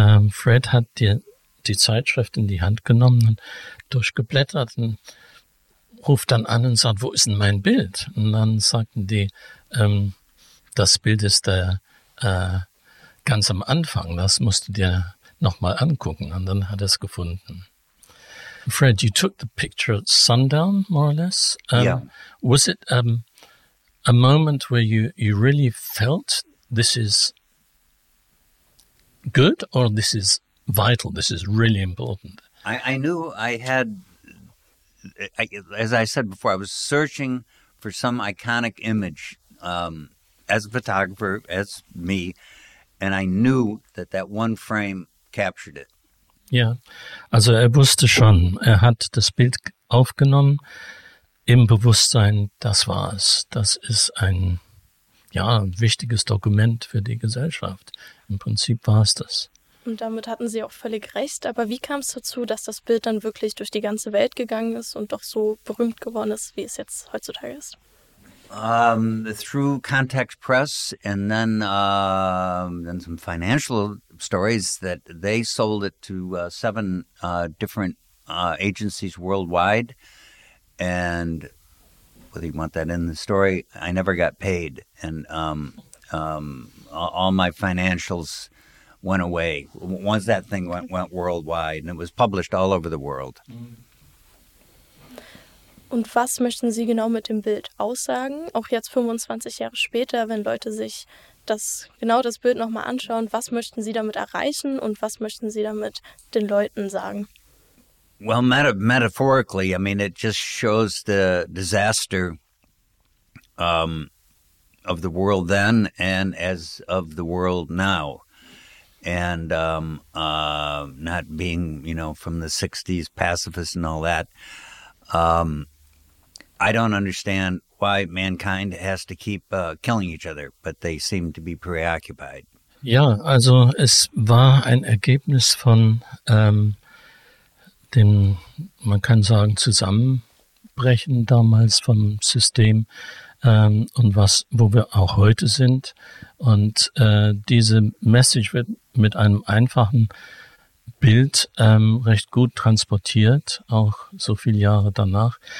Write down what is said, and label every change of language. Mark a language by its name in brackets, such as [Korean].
[German] Fred hat die Zeitschrift in die Hand genommen und durchgeblättert und ruft dann an und sagt, wo ist denn mein Bild? Und dann sagten die, das Bild ist ganz am Anfang, das musst du dir nochmal angucken. Und dann hat er es gefunden. [English] Fred, you took the picture at sundown, more or less. Yeah. Was it a moment where you really felt this is good or this is vital, this is really important? I knew I had, as I said before, I was searching for some iconic image as a photographer, as me, and I knew that that one frame captured it. [German] Ja, also er wusste schon, er hat das Bild aufgenommen im Bewusstsein, das war es. Das ist ein wichtiges Dokument für die Gesellschaft. Im Prinzip war es das. Und damit hatten Sie auch völlig recht. Aber wie kam es dazu, dass das Bild dann wirklich durch die ganze Welt gegangen ist und doch so berühmt geworden ist, wie es jetzt heutzutage ist? [English] Through Contact Press and then some financial stories that they sold it to seven different agencies worldwide. And whether you want that in the story, I never got paid. And all my financials went away once that thing went worldwide. And it was published all over the world. [German] Und was möchten Sie genau mit dem Bild aussagen? Auch jetzt 25 Jahre später, wenn Leute sich das Bild nochmal anschauen, was möchten Sie damit erreichen und was möchten Sie damit den Leuten sagen? [English] Well, metaphorically, I mean, it just shows the disaster of the world then and as of the world now. And not being, you know, from the 60s, pacifist and all that. I don't understand why mankind has to keep killing each other, but they seem to be preoccupied. [German] Ja, also es war ein Ergebnis von dem, man kann sagen, Zusammenbrechen damals vom System und was, wo wir auch heute sind. Und diese Message wird mit einem einfachen Bild recht gut transportiert, auch so viele Jahre danach.